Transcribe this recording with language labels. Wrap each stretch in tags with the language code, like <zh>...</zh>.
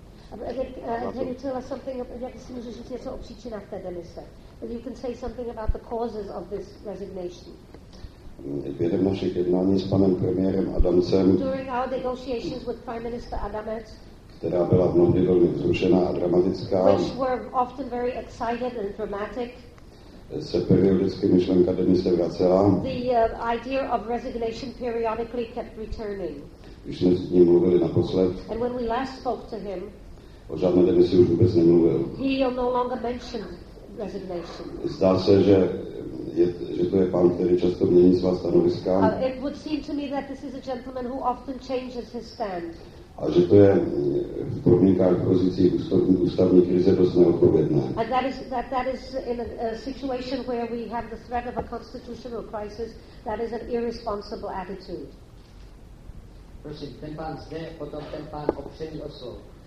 <en>Can you tell us something about the demise? If you can say something about the causes of this resignation.</en> <cs>Během našich jednání s panem premiérem Adamcem.</cs> <en>During our negotiations with Prime Minister Adamec.</en> <cs>Která byla mnohdy velmi vzrušená a dramatická.</cs> <en>Which were often very excited and dramatic.</en> <cs>Se periodicky myšlenka demise vracela.</cs> <en>The idea of resignation periodically kept returning.</en> <cs>Když jsme s ním mluvili naposled.</cs> <en>And when we last spoke to him.</en> <cs>O žádné demisi už vůbec nemluvil.</cs> <en>He will no longer mention resignation.</en> <cs>Zdá se, že to je pan, který často mění svá stanoviska.</cs> <en>It would seem to me that this is a gentleman who often changes his stand.</en> <cs>A že to je v podmínkách pozicí ústavní krize dost neodpovědné.</cs> <en>And that is in a situation where we have the threat of a constitutional crisis, that is an irresponsible attitude.</en> <cs>Prosím, ten pán zde, potom ten pán opřený o slovo.</cs>